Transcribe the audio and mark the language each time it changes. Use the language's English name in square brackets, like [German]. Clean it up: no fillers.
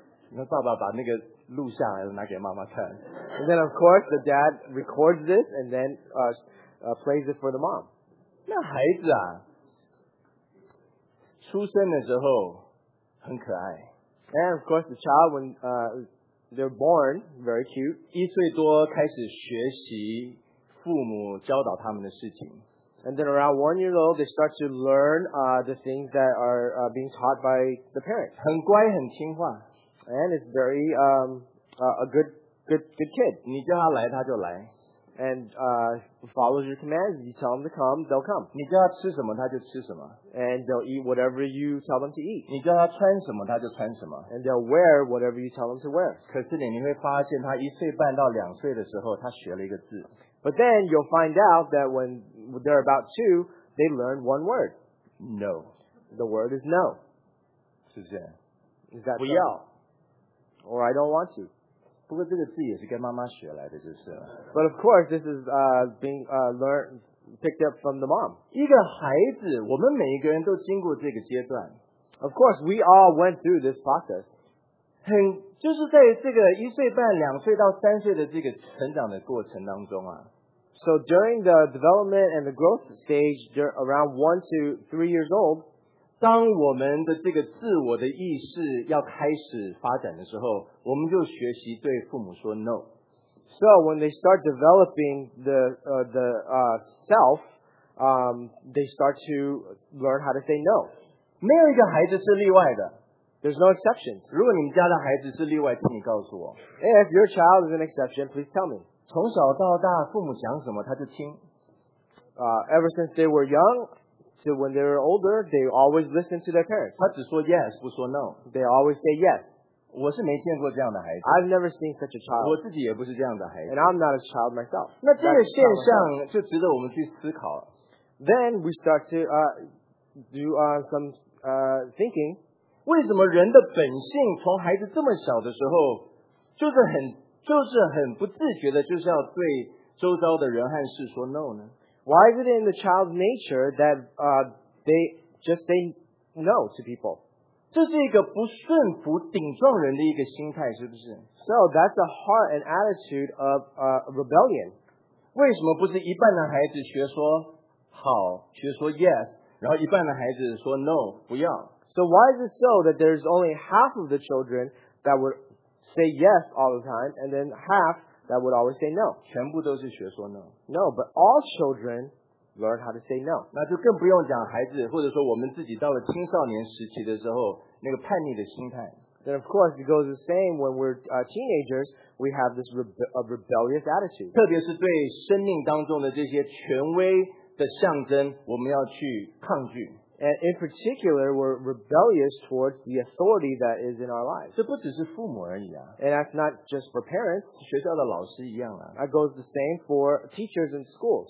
[Chinese] 那爸爸把那个录下来了，拿给妈妈看。 [English] And then of course the dad records this and then plays it for the mom. [Chinese] 那孩子啊，出生的时候很可爱。 [English] And of course the child when they're born very cute. [Chinese] 一岁多开始学习父母教导他们的事情。 [English] And then around 1 year old they start to learn the things that are being taught by the parents. [Chinese] 很乖，很听话。 [English] And it's very a good kid. [Chinese] 你叫他来，他就来。 [English] And follows your commands. You tell him to come, they'll come. [Chinese] 你叫他吃什么，他就吃什么。 [English] And they'll eat whatever you tell them to eat. [Chinese] 你叫他穿什么，他就穿什么。 [English] And they'll wear whatever you tell them to wear. [Chinese] 可是你会发现，他一岁半到两岁的时候，他学了一个字。 [English] But then you'll find out that when they're about two, they learn one word. No. The word is no. [Chinese] 是这样。 [English] Is that [Chinese] 不要。 [English] Or I don't want to. [Chinese] 不过这个字也是跟妈妈学来的，就是。 [English] But of course, this is being learned, picked up from the mom. [Chinese] 一个孩子，我们每一个人都经过这个阶段。 [English] Of course, we all went through this process. [Chinese] 很就是在这个一岁半、两岁到三岁的这个成长的过程当中啊。 [English] So during the development and the growth stage, around 1 to 3 years old. [Chinese] 当我们的这个自我的意识要开始发展的时候，我们就学习对父母说 no。 [English] So when they start developing the self, they start to learn how to say no。 [Chinese] 没有一个孩子是例外的 [English] ，There's no exceptions。 [Chinese] 如果你们家的孩子是例外，请你告诉我。 [English] If your child is an exception, please tell me。 [Chinese] 从小到大，父母想什么他就听。 [English] Ever since they were young。 So when they're older, they always listen to their parents. [Chinese] 他只说 yes, 不说 no. [English] They always say yes. [Chinese] 我是没见过这样的孩子。 [English] I've never seen such a child. [Chinese] 我自己也不是这样的孩子。 [English] And I'm not a child myself. [Chinese] 那这个现象就值得我们去思考了。 [English] Then we start to do some thinking. [Chinese] 为什么人的本性从孩子这么小的时候就是很不自觉的就是要对周遭的人和事说 no 呢？ [English] Why is it in the child's nature that they just say no to people? [Chinese] 这是一个不顺服顶撞人的一个心态，是不是？ [English] So that's a heart and attitude of rebellion. [Chinese] 为什么不是一半的孩子学说好，学说 yes, 然后一半的孩子说 no, 不要？ [English] So why is it so that there's only half of the children that would say yes all the time, and then half... That would always say no. [Chinese] 全部都是学说 no. [English] No, but all children learn how to say no. [Chinese] 那就更不用讲孩子，或者说我们自己到了青少年时期的时候，那个叛逆的心态。 [English] then of course it goes the same when we're teenagers, we have this rebellious attitude. [Chinese] 特别是对生命当中的这些权威的象征，我们要去抗拒。 [English] And in particular, we're rebellious towards the authority that is in our lives. [Chinese] 这不只是父母而已啊, [English] and that's not just for parents. [Chinese] 学校的老师一样啊, [English] that goes the same for teachers in schools.